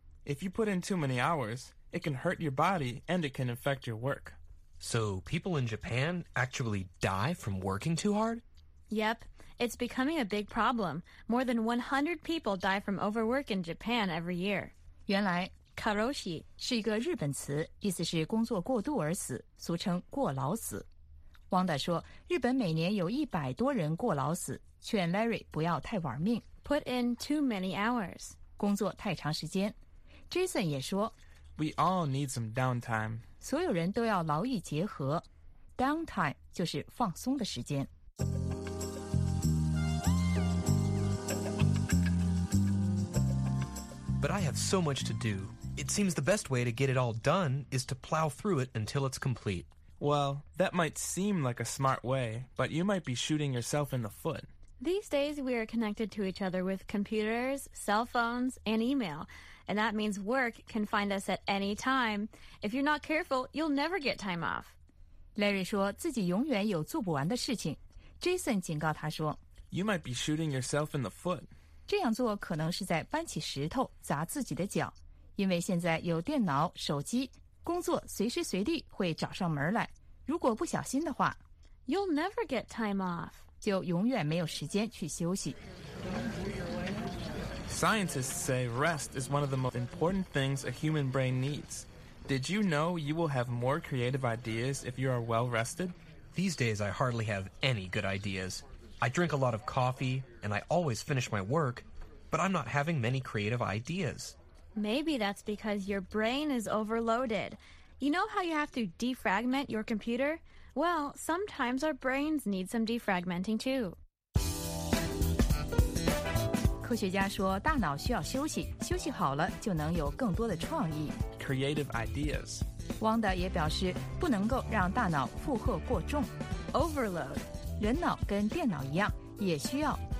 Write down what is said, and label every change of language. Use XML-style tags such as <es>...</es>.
<en>If you put in too many hours, it can hurt your body and it can affect your work. So people in Japan actually die from working too hard? Yep, It's becoming a big problem. More than 100 people die from overwork in Japan every year.</en> <zh>原来</zh> <ja>karoshi</ja> <zh>是一个日本词，意思是工作过度而死，俗称过劳死。汪达说，日本每年有100多人过劳死，劝 Larry 不要太玩命。</zh> <en>Put in too many hours.</en> <zh>工作太长时间。Jason 也说</zh> <en>，We all need some downtime.</en> <zh>所有人都要劳逸结合。Downtime 就是放松的时间。</zh> <en>But I have so much to do. It seems the best way to get it all done is to plow through it until it's complete. Well, that might seem like a smart way, but you might be shooting yourself in the foot. These days, we are connected to each other with computers, cell phones, and email. And that means work can find us at any time. If you're not careful, you'll never get time off.</en> <zh>Larry 说自己永远有做不完的事情。Jason 警告他说</zh> <en>You might be shooting yourself in the foot.</en> <zh>这样做可能是在搬起石头砸自己的脚。因为现在有电脑、手机，工作随时随地会找上门来。如果不小心的话</zh> <en>You'll never get time off.</en> <zh>就永远没有时间去休息。</zh> <en>Scientists say rest is one of the most important things a human brain needs. Did you know you will have more creative ideas if you are well rested? These days I hardly have any good ideas. I drink a lot of coffee and I always finish my work, but I'm not having many creative ideas. Maybe that's because your brain is overloaded. You know how you have to defragment your computer? Well, sometimes our brains need some defragmenting too.</en> <zh>科学家说大脑需要休息，休息好了就能有更多的创意。</zh> <en>Creative ideas.</en> <zh>Wanda 也表示不能够让大脑负荷过重。</zh> <en>Overload.</en> <zh>人脑跟电脑一样，也需要</zh>